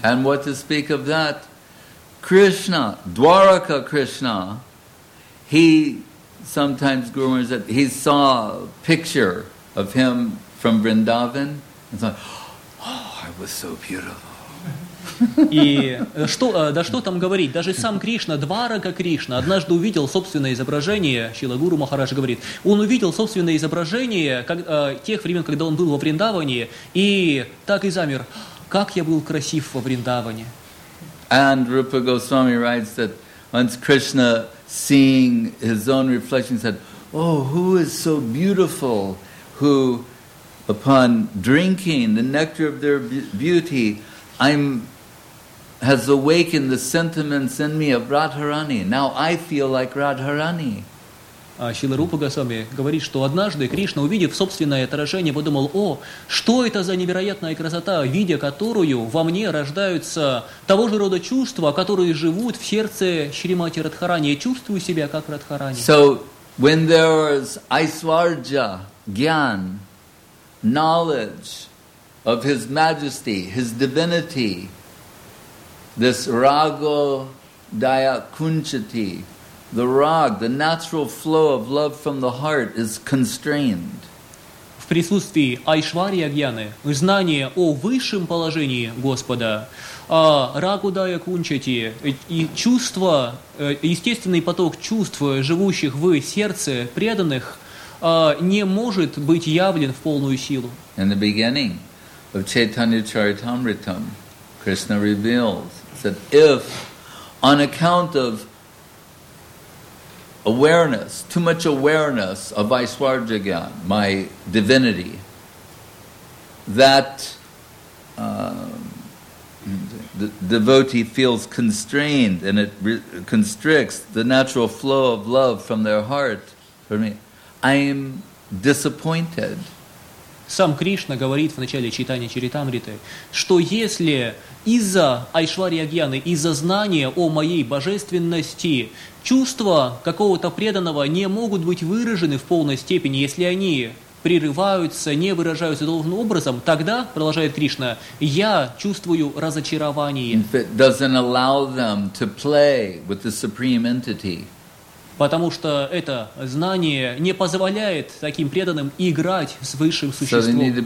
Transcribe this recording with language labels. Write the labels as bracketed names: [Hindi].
[English] And what to speak of that? Krishna, Dwaraka Krishna, he sometimes rumors that he saw a picture of him from Vrindavan and thought, Oh, I was so beautiful. [Russian] И что, да что там говорить? Даже сам Кришна, Дварака Кришна, однажды увидел собственное изображение, Шрила Гуру Махарадж говорит, он увидел собственное изображение как, тех времен, когда он был во Вриндаване, и так и замер. Как я был красив во Вриндаване. [English] And Rupa Goswami writes that once Krishna, seeing his own reflection, said, Oh, who is so beautiful, who... Upon drinking the nectar of their beauty, has awakened the sentiments in me of Radharani. Now I feel like Radharani. [Russian] Шрила Рупа Госвами говорит, что однажды Кришна, увидев собственное отражение, подумал, о, что это за невероятная красота, видя которую во мне рождаются того же рода чувства, которые живут в сердце Шримати Радхарани. Я чувствую себя как Радхарани. [English] So, when there is Aishwarya, Gyan, knowledge of His Majesty, His Divinity, this Rago Daya Kunchati, the rag, the natural flow of love from the heart is constrained. [Russian] В присутствии Айшварья Гьяны, знание о высшем положении Господа, Рагу Дая Кунчати, и чувство, естественный поток чувств, живущих в сердце преданных, не может быть явлен в полную силу. [English] In the beginning of Chaitanya Charitamritam, Krishna reveals that if, on account of awareness, too much awareness of Aishwarya Gyan, my divinity, that the devotee feels constrained and it constricts the natural flow of love from their heart for me, I am disappointed. [Russian] Сам Кришна говорит в начале читания Чаритамриты, что если из-за Айшварья Гьяны, из-за знания о моей божественности, чувства какого-то преданного не могут быть выражены в полной степени, если они прерываются, не выражаются должным образом, тогда, продолжает Кришна, я чувствую разочарование. [English] If it doesn't allow them to play with the supreme entity. [Russian] Потому что это знание не позволяет таким преданным играть с высшим существом.